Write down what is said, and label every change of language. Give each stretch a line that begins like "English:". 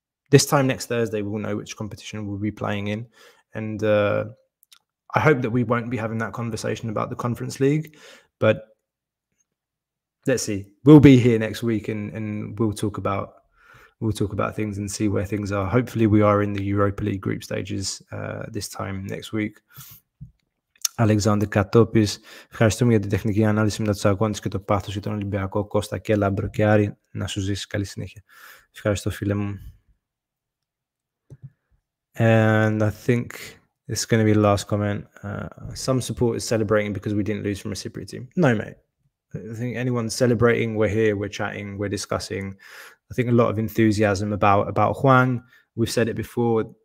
English: This time next Thursday, we'll know which competition we'll be playing in. And I hope that we won't be having that conversation about the Conference League. But let's see. We'll be here next week and we'll talk about things and see where things are. Hopefully, we are in the Europa League group stages this time next week.
Greek: Αλεξάνδρ Κατόπης, ευχαριστούμε για την τεχνική ανάλυση μετά τους αγώνες και το πάθος για τον Ολυμπιακό Κώστα και Λάμπρο και Άρη. Να σου ζήσεις. Καλή συνέχεια. Ευχαριστώ, φίλε μου.
English: And I think this is going to be the last comment. Some supporters celebrating because we didn't lose from a Cypriot team. No, mate. I think anyone celebrating, we're here, we're chatting, we're discussing. I think a lot of enthusiasm about Hwang. We've said it before.